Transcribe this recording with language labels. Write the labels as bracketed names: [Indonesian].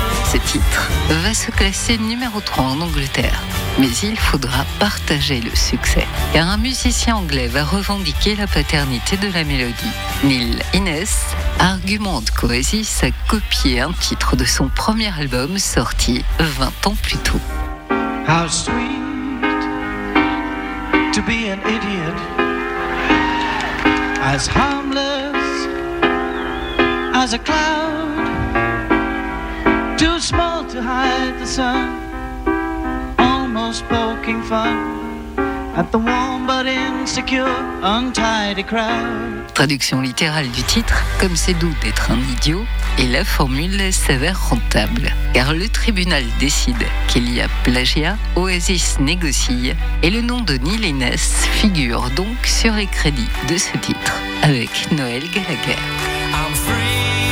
[French] Ce titre va se classer numéro 3 en Angleterre. Mais il faudra partager le succès, car un musicien anglais va revendiquer la paternité de la mélodie. Neil Innes argumente qu'Oasis a copié un titre de son premier album sorti 20 ans plus tôt. [English] How sweet to be an idiot, as harmless as a cloud, too small to hide the sun. Poking fun at the warm but insecure, untidy crowd. [French] Traduction littérale du titre, comme c'est doux d'être un idiot, et la formule s'avère rentable. Car le tribunal décide qu'il y a plagiat, Oasis négocie, et le nom de Neil Innes figure donc sur les crédits de ce titre, avec Noël Gallagher. [English] I'm free.